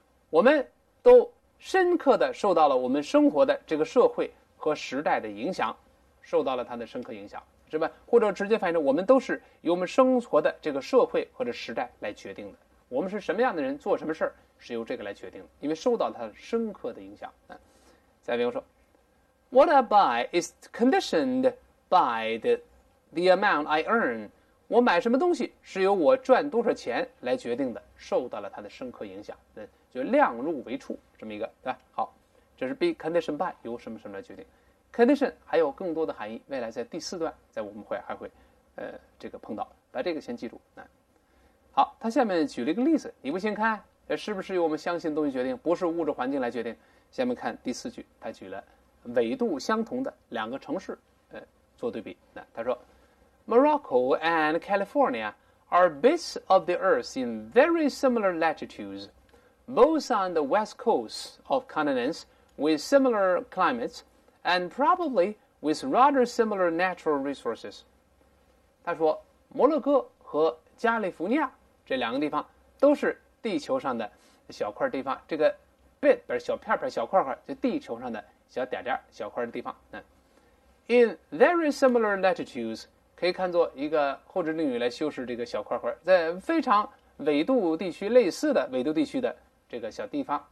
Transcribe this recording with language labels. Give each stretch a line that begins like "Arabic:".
Chinese: 我们都深刻的受到了我们生活的这个社会和时代的影响，受到了它的深刻影响。是吧？或者直接反映成我们都是由我们生活的这个社会或者时代来决定的。我们是什么样的人，做什么事是由这个来决定的，因为受到它深刻的影响。再比如说
English: ，What I buy is conditioned by the amount I earn。
Chinese: 我买什么东西是由我赚多少钱来决定的，受到了它的深刻影响。就量入为出这么一个，对吧？好，这是
English: be conditioned by
Chinese: 由什么什么来决定。 condition 还有更多的含义，未来在第4段，在我们会还会，这个碰到，把这个先记住。好，他下面举了一个例子，你不先看？是不是由我们相信的东西决定？不是物质环境来决定。下面看第四句，他举了纬度相同的两个城市，做对比。那他说
English: ，Morocco and California are bits of the Earth in very similar latitudes, both on the west coast of continents with similar climates, and probably with rather similar natural resources。
Chinese: 他说，摩洛哥和加利福尼亚这两个地方都是地球上的小块地方，这个 bit 不是小片片、小块块，就地球上的小点点、小块的地方。那
English: in very similar latitudes
Chinese: 可以看作一个后置定语来修饰这个小块块，在非常纬度地区类似的纬度地区的这个小地方。